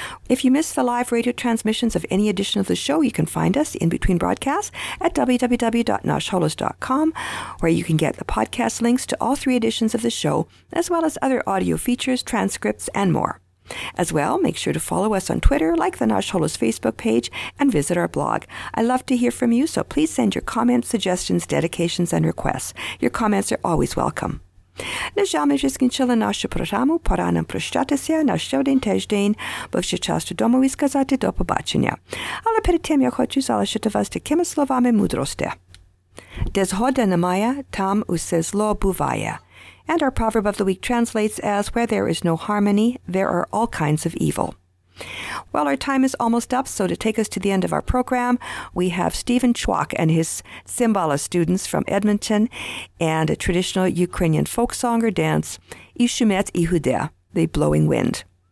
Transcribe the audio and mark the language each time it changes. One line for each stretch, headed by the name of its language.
English: If you miss the live radio transmissions of any edition of the show, you can find us in between broadcasts at www.nashholos.com, where you can get the podcast links to all three editions of the show, as well as other audio features, transcripts, and more. As well, make sure to follow us on Twitter, like the Nash Holos Facebook page, and visit our blog. I love to hear from you, so please send your comments, suggestions, dedications, and requests. Your comments are always welcome.
Ukrainian: На жаль, ми закінчили нашу програму. Пора нам прощатися на щодень тиждень, бо вже час додому і сказати до побачення. Але перед тим я хочу залишити вас такими словами мудрості. Де згода немає, там усе зло буває.
English: And our proverb of the week translates as, where there is no harmony, there are all kinds of evil. Well, our time is almost up, so to take us to the end of our program, we have Stephen Chwok and his Cymbala students from Edmonton and a traditional Ukrainian folk song or dance, Ishumet Ihudea, the blowing wind.